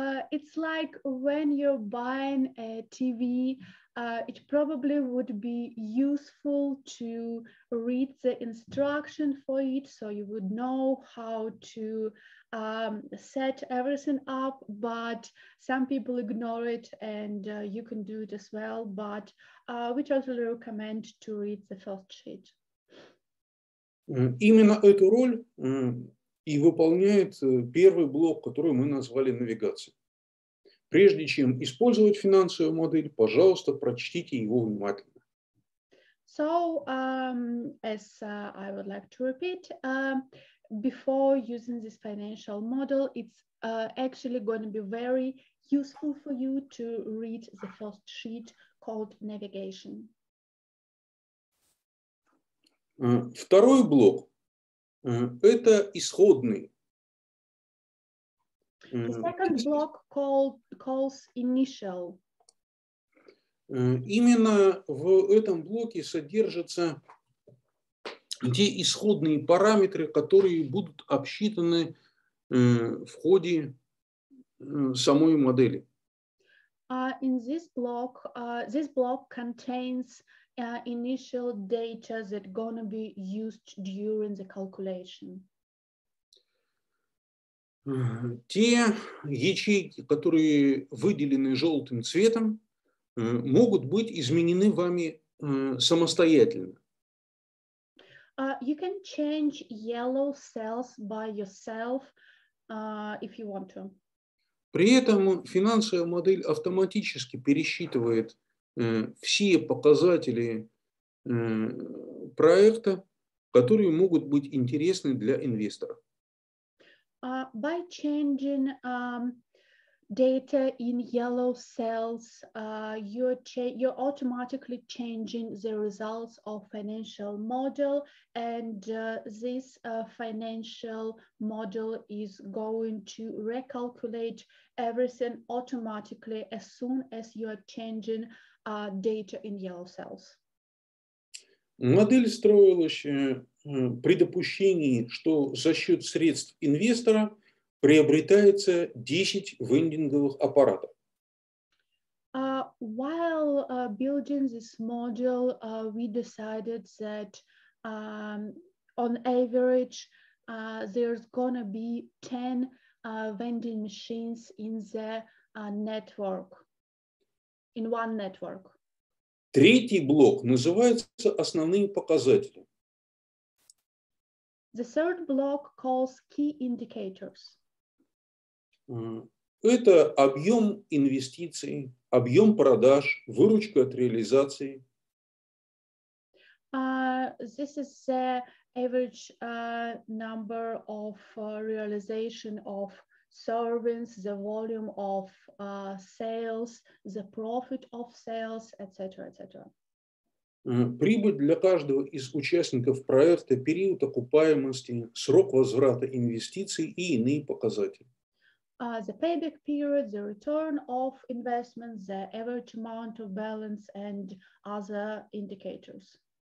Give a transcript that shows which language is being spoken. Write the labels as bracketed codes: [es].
[en] It's like when you're buying a TV, it probably would be useful to read the instruction for it, so you would know how to set everything up, but some people ignore it, and you can do it as well, but we totally recommend to read the first sheet. [ru] Именно эту роль и выполняет первый блок, который мы назвали навигацией. Прежде чем использовать финансовую модель, пожалуйста, прочтите его внимательно. [en] So, as I would like to repeat, before using this financial model, it's actually going to be very useful for you to read the first sheet called navigation. [ru] Второй блок – это исходный. [en] The second block calls initial. [ru] Именно в этом блоке содержатся те исходные параметры, которые будут обсчитаны в ходе самой модели. [en] In this block contains initial data that gonna be used during the calculation. [ru] Те ячейки, которые выделены желтым цветом, могут быть изменены вами самостоятельно. [en] You can change yellow cells by yourself if you want to. [ru] При этом финансовая модель автоматически пересчитывает все показатели проекта, которые могут быть интересны для инвесторов. [en] By changing data in yellow cells, you're automatically changing the results of financial model, and this financial model is going to recalculate everything automatically as soon as you're changing data in yellow cells. [ru] Модель строилась при допущении, что за счет средств инвестора приобретается 10 вендинговых аппаратов. [en] While building this model, we decided that on average there's gonna be 10 vending machines in the network, in one network. [ru] Третий блок называется основные показатели. [en] The third block calls key indicators. [ru] Это объем инвестиций, объем продаж, выручка от реализации. [en] This is the average number of realization of servings, the volume of sales, the profit of sales, etc., etc. [ru] Прибыль для каждого из участников проекта, период окупаемости, срок возврата инвестиций и иные показатели. [en] The payback period, the return of investments, the average amount of balance and other indicators.